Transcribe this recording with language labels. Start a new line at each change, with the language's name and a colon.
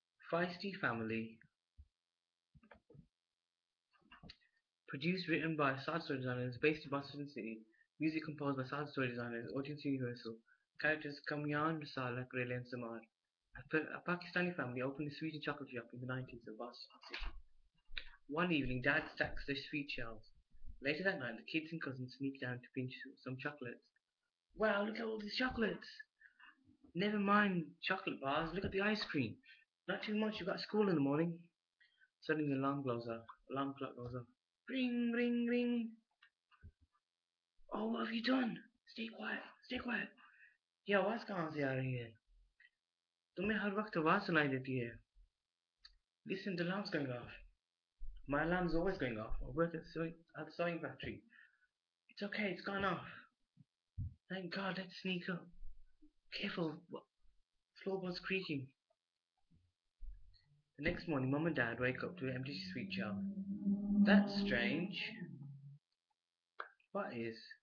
English: Feisty family produced written by Saad story designers based in Boston city music compose by Saad story designers audience universal characters कमियान रसाला ग्रेलियन समार A Pakistani family opened a sweet and chocolate shop in the 90s of Boston City. One evening, Dad stacks their sweet shelves. Later that night, the kids and cousins sneak down to pinch some chocolates. Wow, look at all these chocolates! Never mind chocolate bars, look at the ice cream. Not too much, you've got school in the morning. Suddenly the alarm clock goes off. Ring, ring, ring. Oh, what have you done? Stay quiet. Yeah, what's going on out here?
Hindi: तुम्हें हर वक्त आवाज़ सुनाई देती है
English: Listen, the alarm's going off. My alarm's always going off. I work at the sewing factory. It's okay, it's gone off. Thank God, let's sneak up. Careful, floorboard's creaking. The next morning, Mum and Dad wake up to an empty sweet jar. That's strange. What is?